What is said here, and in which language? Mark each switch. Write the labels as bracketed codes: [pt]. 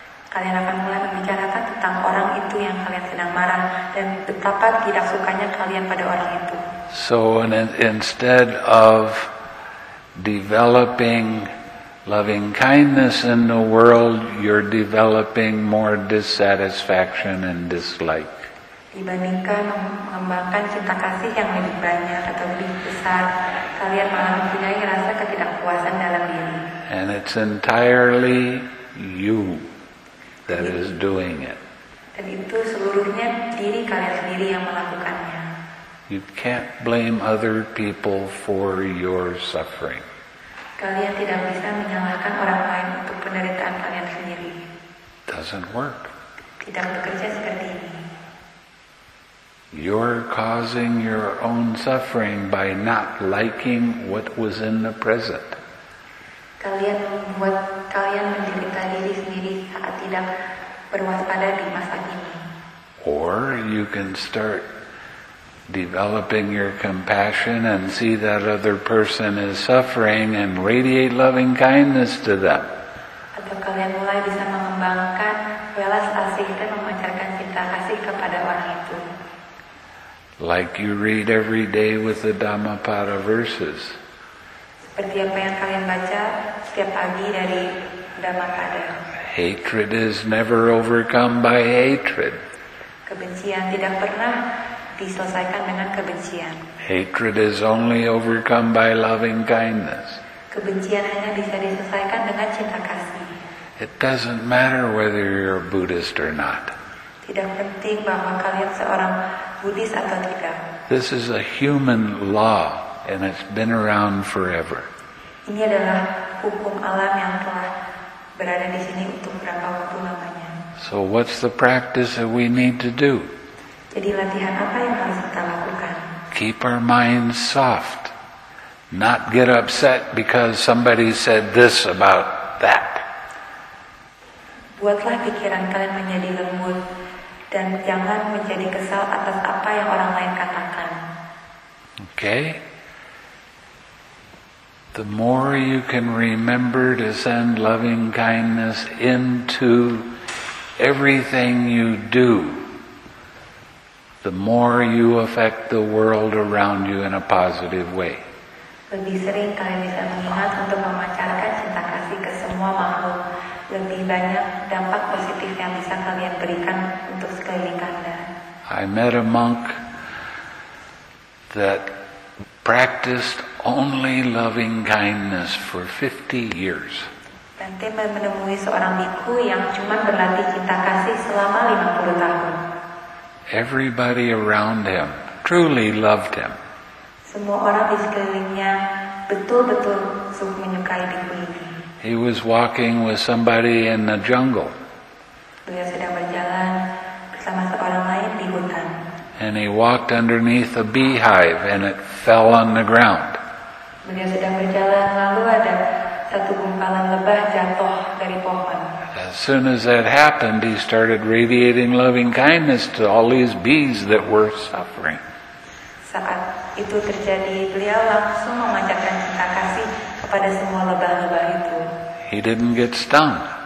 [id] Kalian akan mulai membicarakan tentang orang itu yang kalian sedang marah dan betapa tidak sukanya kalian pada orang itu. [en] So instead of developing loving kindness in the world, you're developing more dissatisfaction and dislike. [id] Dibandingkan mengembangkan cinta kasih yang lebih banyak atau lebih besar, kalian malah mempunyai rasa ketidakpuasan dalam diri. [en] And it's entirely you that is doing it. [id] Dan itu seluruhnya diri kalian sendiri yang melakukannya. [en] You can't blame other people for your suffering. [id] Kalian tidak bisa menyalahkan orang lain untuk penderitaan kalian sendiri. [en] Doesn't work. [id] Tidak bekerja seperti ini. [en] You're causing your own suffering by not liking what was in the present. [id] Kalian membuat kalian menderita diri sendiri saat tidak berwaspada di masa ini. [en] Or you can start developing your compassion and see that other person is suffering and radiate loving kindness to them. [id] Atau kalian mulai bisa mengembangkan welas asih dan memancarkan cinta kasih kepada orang itu. [en] Like you read every day with the Dhammapada verses. [id] Seperti apa yang kalian baca setiap pagi dari Dhammapada. [en] Hatred is never overcome by hatred. [id] Kebencian tidak pernah diselesaikan dengan kebencian. [en] Hatred is only overcome by loving kindness. [id] Kebencian hanya bisa diselesaikan dengan cinta kasih. [en] It doesn't matter whether you're a Buddhist or not. [id] Tidak penting bahwa kalian seorang Buddhis atau tidak. [en] This is a human law and it's been around forever. [id] Ini adalah hukum alam yang telah berada di sini untuk berapa waktu lamanya. [en] So what's the practice that we need to do? [id] Jadi latihan apa yang harus kita lakukan? [en] keep our minds soft. Not get upset because somebody said this about that. [id] Buatlah pikiran kalian menjadi lembut dan jangan menjadi kesal atas apa yang orang lain katakan. [en] Okay. The more you can remember to send loving kindness into everything you do, the more you affect the world around you in a positive way. [id] Lebih sering kalian bisa mengingat untuk memancarkan cinta kasih ke semua makhluk. Lebih banyak dampak positif yang bisa kalian berikan untuk sekeliling kalian. [en] I met a monk that practiced only loving kindness for 50 years. [id] Bante menemui seorang bhikkhu yang cuma berlatih cinta kasih selama 50 tahun. [en] Everybody around him truly loved him. [id] Semua orang di sekelilingnya betul-betul sungguh menyukai bhikkhu ini. [en] He was walking with somebody in the jungle. [id] Dia sedang berjalan bersama seorang lain di hutan. [en] And he walked underneath a beehive and it fell on the ground. [id] Dia sedang berjalan lalu ada satu gumpalan lebah jatuh dari pohon. [en] As soon as that happened, he started radiating loving kindness to all these bees that were suffering. [id] Saat itu terjadi, beliau langsung memancarkan cinta kasih kepada semua lebah-lebah itu. [en] He didn't get stung.